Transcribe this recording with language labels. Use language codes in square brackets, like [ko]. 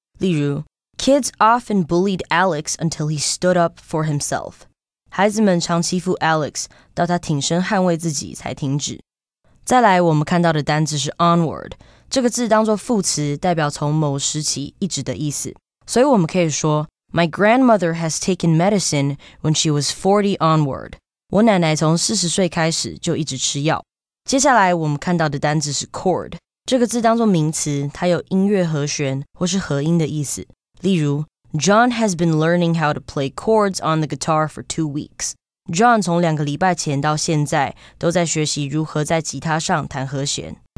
[zh] 例如 [en] ，Kids often bullied Alex until he stood up for himself。 [zh] 孩子们常欺负 Alex， 到他挺身捍卫自己才停止。再来，我们看到的单字是 onward。这个字当作副词，代表从某时期一直的意思。所以我们可以说 [en] ，My grandmother has taken medicine when she was 40 onward。 [zh] 我奶奶从40岁开始就一直吃药。接下来我们看到的单字是 chord， 这个字当作名词，它有音乐和弦或是和音的意思。例如 [en] ，John has been learning how to play chords on the guitar for 2 weeks。 [zh] John 从两个礼拜前到现在都在学习如何在吉他上弹和弦。